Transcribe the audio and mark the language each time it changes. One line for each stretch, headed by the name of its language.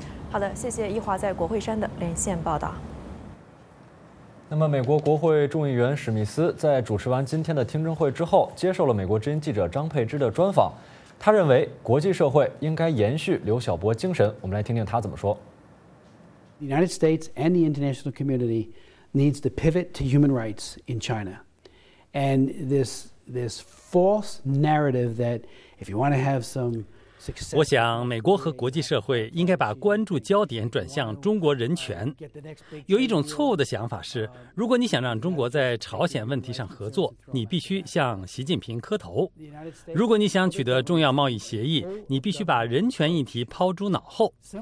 Chinese: 好的，谢谢一华在国会山的连线报道。那么美国国会众议员史密斯在主持完今天的听证会之后，接受了美国之音记者张佩芝的专访。他认为国际社会应该延续刘晓波精神，我们来听听他怎么说。
English: The United States and the international community needs to pivot to human rights in China. And this false narrative that if you want to have some...
Chinese: 我想美国和国际社会应该把关注焦点转向中国人权。有一种错误的想法是，如果你想让中国在朝鲜问题上合作，你必须向习近平磕头。如果你想取得重要贸易协议，你必须把人权议题抛诸脑后。